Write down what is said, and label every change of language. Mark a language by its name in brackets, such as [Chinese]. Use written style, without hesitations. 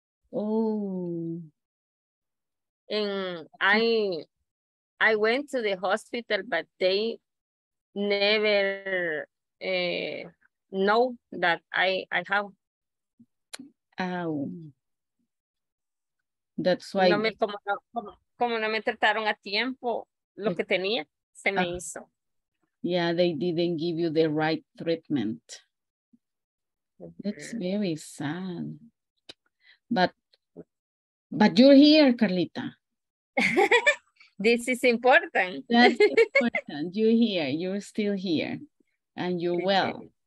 [English] Oh. And I I went to the hospital, but they never know that I have. Oh. That's why. [Spanish] Como no me trataron a tiempo, lo que tenía, se me hizo. [English] Yeah, they didn't give you the right treatment. That's very sad. But you're here, Carlita. This is important. That's important. You're here. You're still here. And you're well.